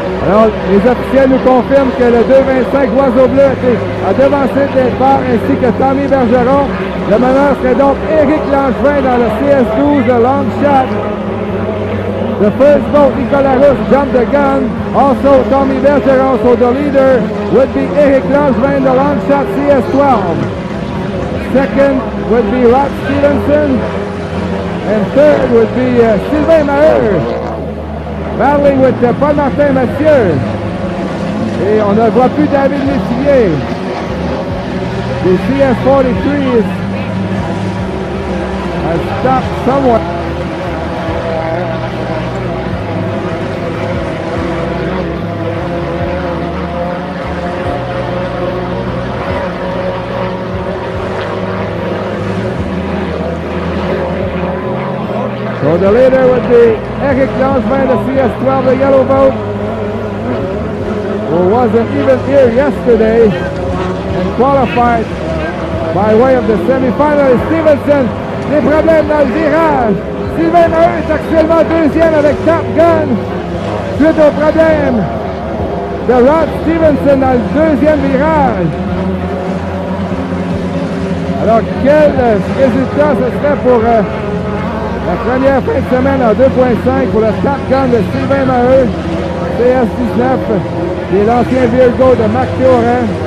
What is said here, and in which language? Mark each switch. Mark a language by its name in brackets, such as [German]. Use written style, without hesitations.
[French] Alors, les officiels nous confirment que le 2.25 Oiseau Bleu a devancé le départ ainsi que Tommy Bergeron. Le meneur serait donc Éric Langevin dans le CS12 de Long Shot. [English] The first boat, Nicolas Rousse jumped the gun. Also, Tommy Bergeron, so the leader would be Éric Langevin, the Long Shot CS12. Second would be Rod Stevenson. And third would be Sylvain Maheur. Battling with Paul Martin Mathieu. [French] Et on ne voit plus David Métivier. [English] The CS43 has stopped somewhat. So the leader would be Eric Langevin, the CS12, the yellow boat, who wasn't even here yesterday and qualified by way of the semi-final. [French] Stevenson, des problèmes dans le virage. Sylvain Meur est actuellement deuxième avec Top Gun. Suite au problème de Rod Stevenson dans le deuxième virage. Alors, quel résultat ce serait pour... La première fin de semaine en 2.5 pour le Top Gun de Sylvain Maheu, CS19, et l'ancien Virgo de Marc Théorin.